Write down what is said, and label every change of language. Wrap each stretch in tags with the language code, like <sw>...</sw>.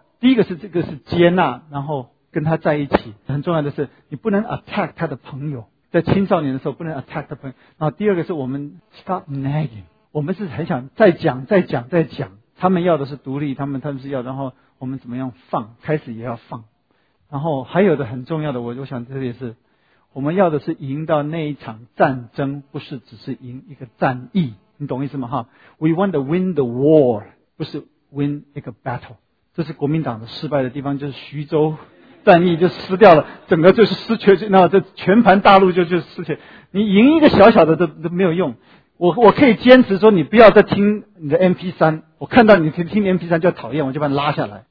<zh>第一个是这个是接纳，然后跟他在一起，很重要的是你不能 attack 他的朋友，在青少年的时候不能 attack 他的朋友。然后第二个是我们</zh> <en>stop nagging，</en> <zh>我们是很想再讲再讲再讲，他们要的是独立，他们是要，然后我们怎么样放，开始也要放。然后还有的很重要的，我想这也是我们要的是赢到那一场战争，不是只是赢一个战役，你懂意思吗？</zh> <en>哈 ，We want to win the war，</en> <zh>不是</zh> <en>win 一个 battle。</en> <zh>这是国民党的失败的地方，就是徐州战役就失掉了，整个就是失去，那这全盘大陆就失去。你赢一个小小的都没有用。我可以坚持说你不要再听你的 MP3， 我看到你听 MP3 就讨厌，我就把你拉下来。</zh>